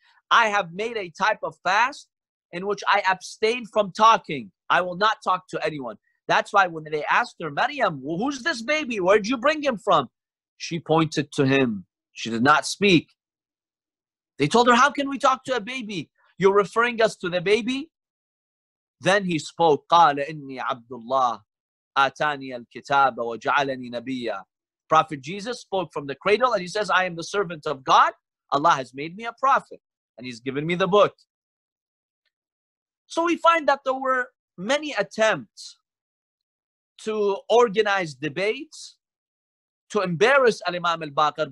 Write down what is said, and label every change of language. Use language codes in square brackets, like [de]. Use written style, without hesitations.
[en] I have made a type of fast in which I abstain from talking. I will not talk to anyone. That's why when they asked her, Maryam, well, who's this baby? Where'd you bring him from? She pointed to him. She did not speak. They told her, how can we talk to a baby? You're referring us to the baby? [ar] Then he spoke, قَالَ إِنِّي عَبْدُ اللَّهِ آتَانِيَ الْكِتَابَ وَجَعَلَنِي نَبِيًّا. [en] Prophet Jesus spoke from the cradle and he says, I am the servant of God. Allah has made me a prophet and he's given me the book. So we find that there were many attempts to organize debates, to embarrass al-Imam al-Baqir.